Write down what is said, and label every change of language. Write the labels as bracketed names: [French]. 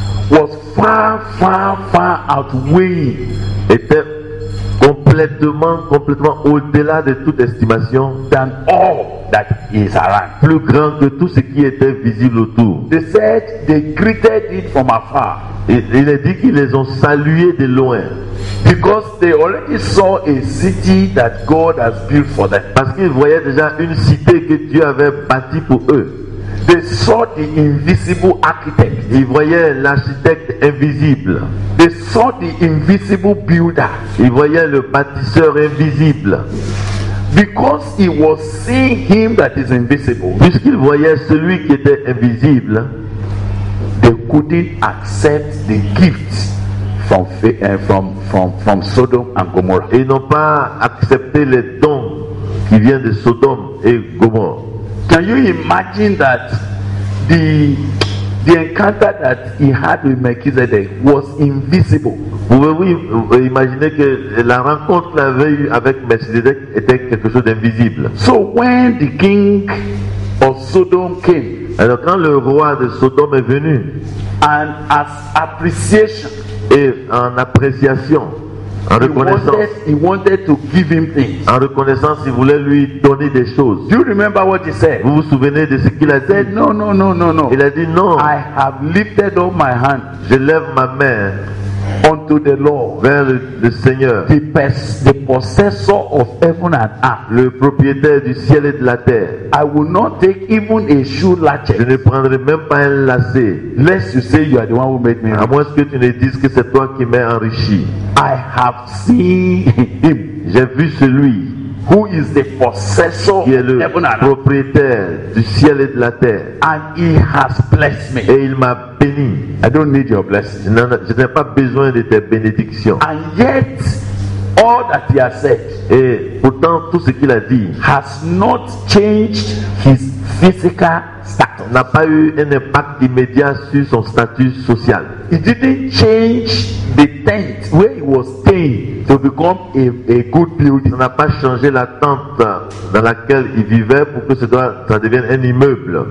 [English] was far outweighing, [French] était complètement au-delà de toute estimation, [English] than all that is around, [French] plus grand que tout ce qui était visible autour. [English] They said they greeted it from afar. [French] Il est dit qu'ils les ont salués de loin. [English] Because they already saw a city that God has built for them. [French] Parce qu'ils voyaient déjà une cité que Dieu avait bâtie pour eux. [English] They saw the invisible architect. [French] Ils voyaient l'architecte invisible. [English] They saw the invisible builder. [French] Ils voyaient le bâtisseur invisible. [English] Because he was seeing him that is invisible. [French] Puisqu'ils voyaient celui qui était invisible. [English] They couldn't accept the gifts from Sodom and Gomorrah. [French] Ils n'ont pas accepté les dons qui viennent de Sodome et Gomorrah. [English] Can you imagine that the encounter that he had with Melchizedek was invisible? [French] Pouvez-vous imaginer que la rencontre qu'il avait eue avec Melchizedek était quelque chose d'invisible? [English] So when the king of Sodom came. [French] Alors quand le roi de Sodome est venu, [English] and as appreciation, [French] et en appréciation, en reconnaissance, [English] he wanted to give him things. [French] En reconnaissance, il voulait lui donner des choses. [English] Do you remember what he said? [French] Vous vous souvenez de ce qu'il a dit? [English] No. [French] Il a dit non. [English] I have lifted up my hand. [French] Je lève ma main [English] unto the Lord, [French] vers le Seigneur, [English] the possessor of heaven and earth, [French] le propriétaire du ciel et de la terre. [English] I will not take even a shoe latchet. [French] Je ne prendrai même pas un lacet. [English] Lest you say you are the one who made me. [French] À moins que tu ne dises que c'est toi qui m'as enrichi. [English] I have seen him. [French] J'ai vu celui [English] who is the possessor, [French] qui est le propriétaire du ciel et de la terre. [English] And he has blessed me. [French] Et il m'a béni. [English] I don't need your blessings. [French] Je n'ai pas besoin de tes bénédictions. [English] And yet, all that he has said, [French] et pourtant tout ce qu'il a dit, [English] has not changed his physical status. [French] N'a pas eu un impact immédiat sur son statut social. [English] He didn't change the tent where he was staying to become a good building. [French] Ça n'a pas changé la tente dans laquelle il vivait pour que ça devienne un immeuble.